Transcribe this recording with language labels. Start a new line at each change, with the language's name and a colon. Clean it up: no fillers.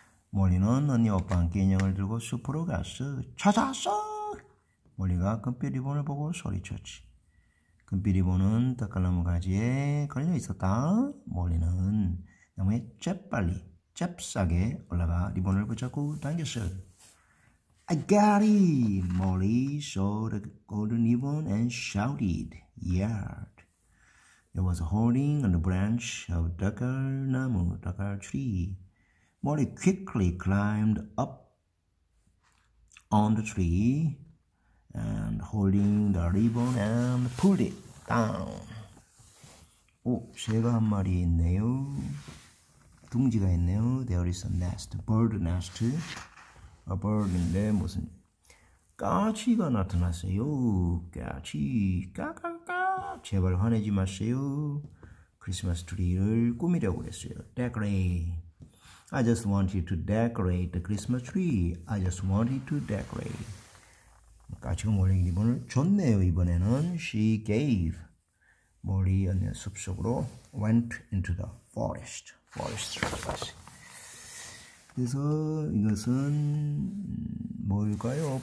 Korean: 몰리는 언니 오빠 함께 인형을 들고 숲으로 갔어. 찾았어! 몰리가 금빛 리본을 보고 소리쳤지. 금빛 리본은 떡갈나무 가지에 걸려 있었다. 몰리는 나무에 재빨리, 잽싸게 올라가 리본을 붙잡고 당겼어.
English: I got it! Molly saw the golden ribbon and shouted, Yard! It was holding on the branch of dakalnamu, dakal tree. Molly quickly climbed up on the tree and holding the ribbon and pulled it down.
Korean: 오, 새가 한 마리 있네요. 둥지가 있네요.
English: There is a nest, bird nest. A bird인데
Korean: 무슨 까치가 나타났어요. 까치 까까까 제발 화내지 마세요. 크리스마스 트리를 꾸미려고 그랬어요.
English: Decorate. I just want you to decorate the Christmas tree. I just want you to decorate.
Korean: 까치가 몰리기 리본을 줬네요. 이번에는
English: She gave.
Korean: 몰리 언니 숲속으로
English: Went into the forest. Forest.
Korean: 그래서 이것은 뭘까요?